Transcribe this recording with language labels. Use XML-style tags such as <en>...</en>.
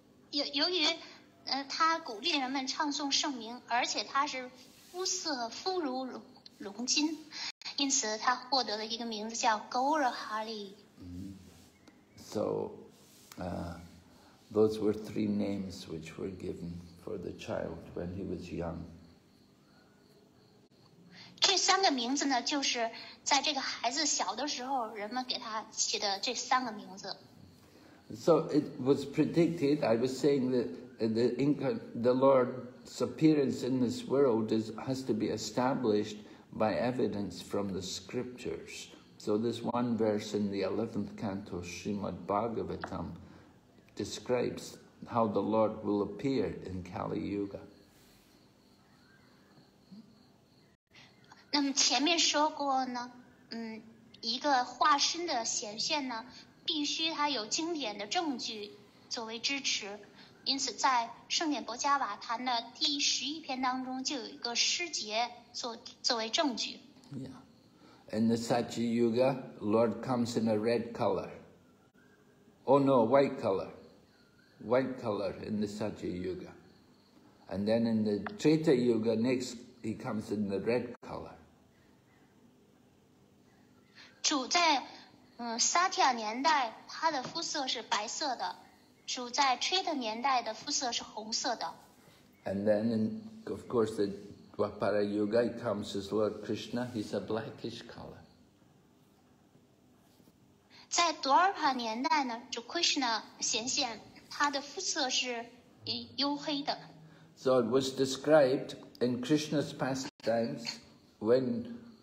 <zh>由于他鼓励人们唱诵圣名，而且他是肤色肤如龙金，因此他获得了一个名字叫 Gaurahari.</zh> <en>Those were three names which were given for the child when he was young.</en> <zh>这三个名字呢，就是在这个孩子小的时候，人们给他起的这三个名字。</zh> <en>So it was predicted. I was saying that the Lord's appearance in this world has to be established by evidence from the scriptures. So this one verse in the 11th canto Srimad Bhagavatam describes how the Lord will appear in Kali Yuga.</en> <zh>那么前面说过呢，一个化身的显现呢，必须它有经典的证据作为支持。因此，在《圣典博伽瓦坛》的第十一篇当中，就有一个师节作为证据。</zh> <en>Yeah, in the Satya Yuga, Lord comes in a red color. Oh no, white color. White color in the Satya Yuga, and then in the Treta Yuga, next he comes in the red color.</en> <zh>主在萨提亚年代他的肤色是白色的，主在崔特年代的肤色是红色的。</zh> <en>And then, of course, the Dwapara Yuga comes as Lord Krishna. He's a blackish color.</en> <zh>在多尔帕年代呢，主 Krishna 显现，他的肤色是黝黑的。</zh> <en>So it was described in Krishna's pastimes when.</en>